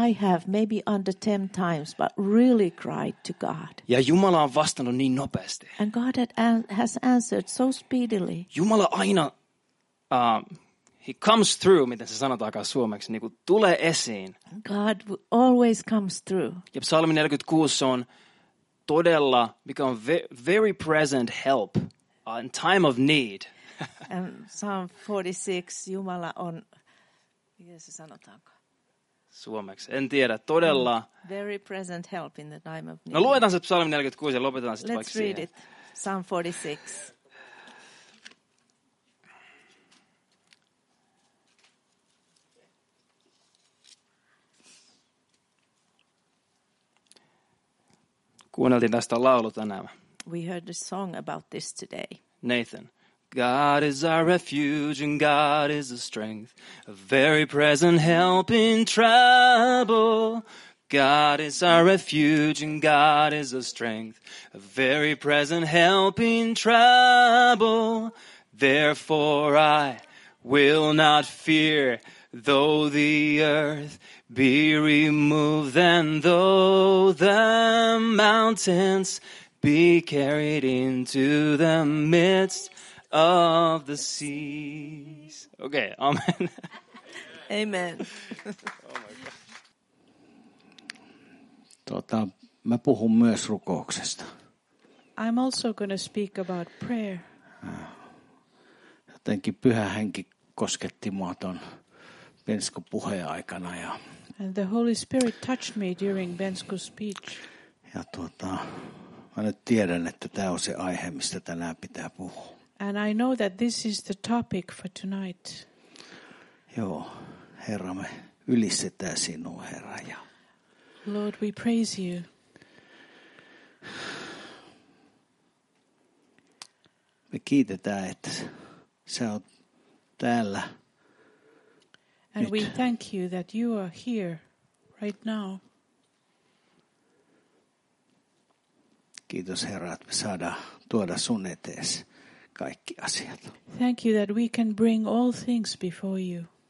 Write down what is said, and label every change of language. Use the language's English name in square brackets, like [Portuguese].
[English] I have maybe under 10 times, but really cried to God. [Finnish] Ja Jumala on vastannut niin nopeasti. [English] And God has answered so speedily. [Finnish] Jumala aina, [English] he comes through, [Finnish] miten se sanotaankaan suomeksi, niin kuin tulee esiin. [English] God always comes through. [Finnish] Ja psalmi 46 on todella, mikä on [English] very present help in time of need. Psalm 46, [Finnish] Jumala on, miten se sanotaanko? Suomeksi, en tiedä, todella. [English] Very present help in the time of need. [Finnish] No luetaan se psalmi 46 ja lopetetaan sitten vaikka siihen. [English] Let's read it, Psalm 46. [Finnish] Kuunneltiin tästä laulu tänään. [English] We heard a song about this today. Nathan. God is our refuge and God is a strength, a very present help in trouble. God is our refuge and God is a strength, a very present help in trouble. Therefore I will not fear, though the earth be removed and though the mountains be carried into the midst of the seas. Okay, amen. Amen. [Finnish] Mä puhun myös rukouksesta. [English] I'm also going to speak about prayer. [Finnish] Jotenkin Pyhä Henki kosketti mua ton Benskun puheen aikana ja. [English] And the Holy Spirit touched me during Benskun speech. [Finnish] Ja mä nyt tiedän, että tää on se aihe, mistä tänään pitää puhua. [English] And I know that this is the topic for tonight. [Finnish] Joo, Herra, me ylistetään sinua, Herra, ja. [English] Lord, we praise you. [Finnish] Me kiitetään, että sä oot täällä. [English] And [Finnish] nyt. [English] We thank you that you are here right now. [Finnish] Kiitos, Herra, että me saadaan tuoda sun eteesi. Kaikki asiat. [English] Thank you that we can bring all things before you.